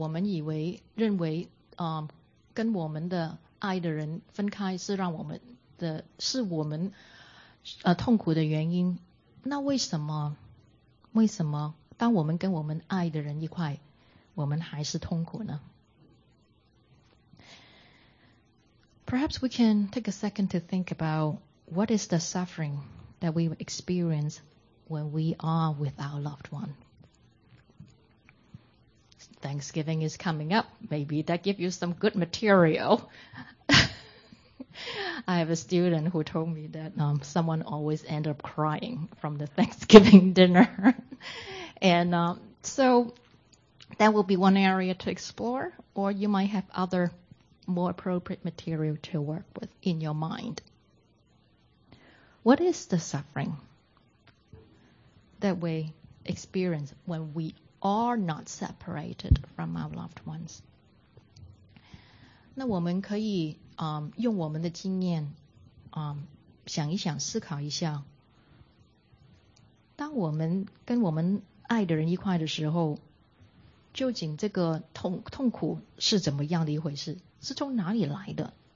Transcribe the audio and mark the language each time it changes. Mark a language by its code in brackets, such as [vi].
[zh] 那这个很奇怪的，如果我们认为跟我们的 爱的人分开是让我们的，是我们痛苦的原因。那为什么当我们跟我们爱的人一块，我们还是痛苦呢？ [en] Perhaps we can take a second to think about what is the suffering that we experience when we are with our loved one. Thanksgiving is coming up. Maybe that gives you some good material. I have a student who told me that someone always end up crying from the Thanksgiving dinner. And so that will be one area to explore, or you might have other more appropriate material to work with in your mind. What is the suffering that we experience when we are not separated from our loved ones? [zh] 那我们可以 用我们的经验想一想，思考一下，当我们跟我们爱的人一块的时候，究竟这个痛苦是怎么样的一回事？是从哪里来的？